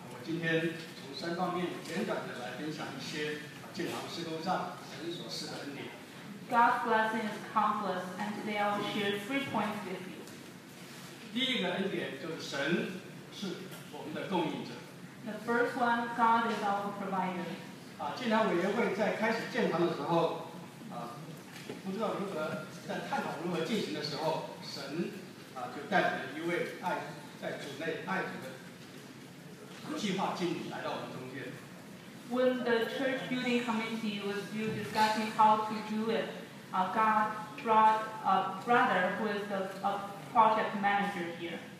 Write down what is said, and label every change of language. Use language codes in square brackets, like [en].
[zh] 神的恩典是数也数不尽的，我今天从三方面简短的来分享一些。 [en] God's blessing is countless, and today I will share 3 points with you. [zh] 第一个恩典就是神是我们的供应者。 [en] The first one, God is our provider. [zh] 建堂委员会在开始建堂的时候，不知道如何在探讨如何进行的时候，神就带领一位爱主内爱主的计划经理来到我们中间。 [en] When the church building committee was discussing how to do it, God brought a brother who is a project manager here.